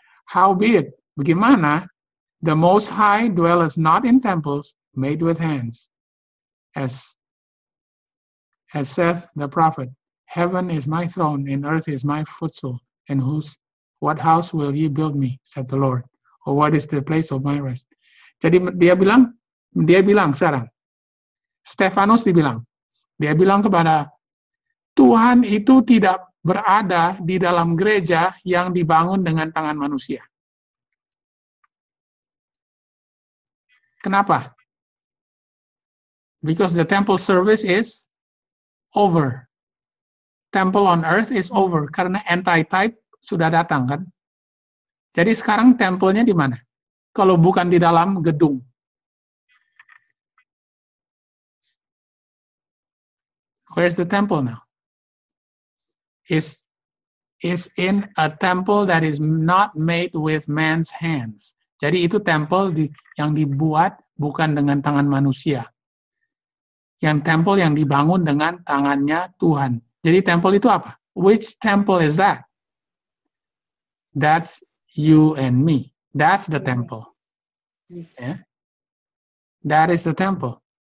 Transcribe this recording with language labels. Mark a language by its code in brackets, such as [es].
[en] Howbeit, [id] bagaimana [en] the Most High dwelleth not in temples made with hands. As saith the prophet, heaven is my throne and earth is my footstool. And what house will ye build me, said the Lord? Or what is the place of my rest? [id] Jadi dia bilang sekarang. Stefanus dibilang. Dia bilang kepada Tuhan itu tidak berada di dalam gereja yang dibangun dengan tangan manusia. Kenapa? [en] Because the temple service is over. Temple on earth is over. [id] Karena antitype sudah datang, kan? Jadi sekarang temple-nya di mana? Kalau bukan di dalam gedung. [en] Where's the temple now? It's in a temple that is not made with man's hands. [id] Jadi itu temple yang dibuat bukan dengan tangan manusia. Yang temple yang dibangun dengan tangannya Tuhan. Jadi temple itu apa? [en] Which temple is that? That's you and me. That's the temple. Yeah. That is the temple.